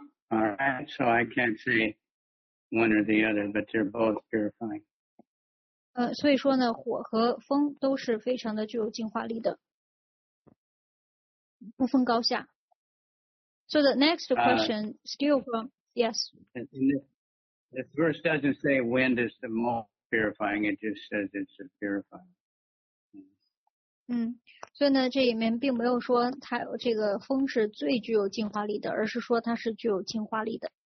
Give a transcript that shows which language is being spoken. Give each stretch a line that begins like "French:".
English: All right, so I can't say one or the other, but they're both purifying.
Chinese: 所以说呢，火和风都是非常的具有净化力的，不分高下。
English: So the next question, still from, yes. This verse doesn't say wind is the most purifying, it just says it's a purifying.
Chinese: 所以呢这里面并没有说它这个风是最具有净化力的 而是说它是具有净化力的